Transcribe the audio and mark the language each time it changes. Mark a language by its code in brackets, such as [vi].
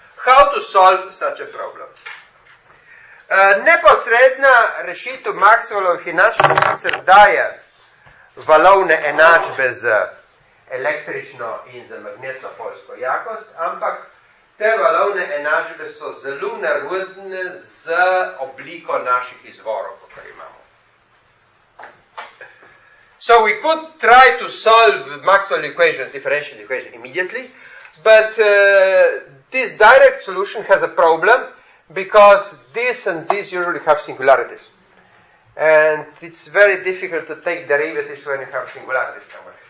[en] How to solve such a problem? [sl] Neposredna rešitev Maxwellovih enačb sicer daje valovne enačbe z električno in z magnetno polsko jakost, ampak te valovne enačbe so zelo nerodne z obliko naših izvorov, kot imamo. [en] So we could try to solve Maxwell equation, differential equation immediately, but this direct solution has a problem, because this and this usually have singularities. And it's very difficult to take derivatives when you have singularities somewhere.